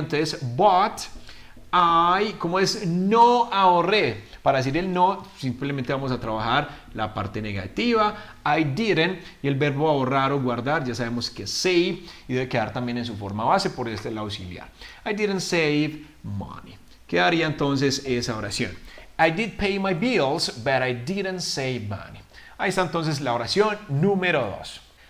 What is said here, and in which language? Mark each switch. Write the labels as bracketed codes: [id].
[es] Entonces, [en] but I, [es] ¿cómo es? No ahorré. Para decir el no, simplemente vamos a trabajar la parte negativa. [en] I didn't. [es] Y el verbo ahorrar o guardar, ya sabemos que save. Y debe quedar también en su forma base por este el auxiliar. [en] I didn't save money. [es] Quedaría entonces esa oración. [en] I did pay my bills, but I didn't save money. [es] Ahí está entonces la oración número 2.